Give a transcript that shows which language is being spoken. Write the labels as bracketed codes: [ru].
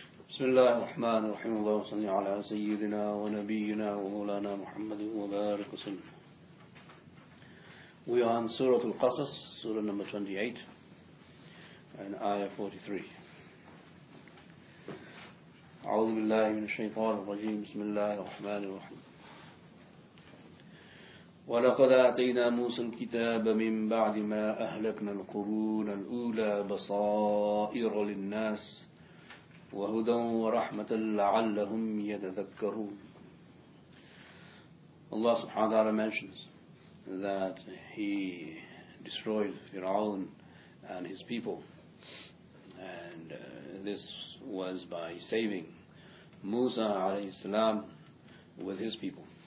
[ar] بسم الله الرحمن الرحيم الله صل على سيدنا ونبينا ومولانا محمد وبارك وسلم. [en] We are on Surah Al-Qasas, Surah number 28, and Ayah 43. [ar] أعوذ بالله من الشيطان الرجيم بسم الله الرحمن الرحيم. ولقد آتينا موسى الكتاب من بعد ما أهلكنا القرون الأولى بصائر للناس وهدى ورحمة لعلهم يتذكرون. [en] Allah subhanahu wa ta'ala mentions that he destroyed Fir'aun and his people, and this was by saving Musa alayhi salam with his people.